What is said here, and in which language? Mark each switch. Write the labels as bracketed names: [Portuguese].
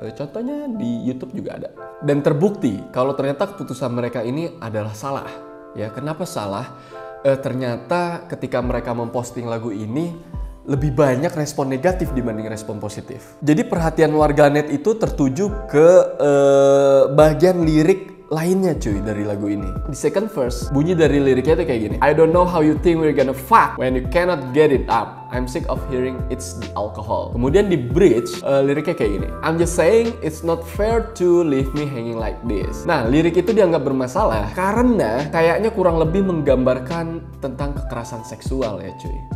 [Indonesian] Contohnya di YouTube juga ada. Dan terbukti kalau ternyata keputusan mereka ini adalah salah. Ya, kenapa salah? Ternyata ketika mereka memposting lagu ini lebih banyak respon negatif dibanding respon positif. Jadi perhatian warganet itu tertuju ke bagian lirik lainnya cuy dari lagu ini. Di second verse, bunyi dari liriknya itu kayak gini, [English] I don't know how you think we're gonna fuck when you cannot get it up. I'm sick of hearing it's the alcohol. [Indonesian] Kemudian di bridge, liriknya kayak gini, [English] I'm just saying it's not fair to leave me hanging like this. [Indonesian] Nah, lirik itu dianggap bermasalah karena kayaknya kurang lebih menggambarkan tentang kekerasan seksual ya cuy.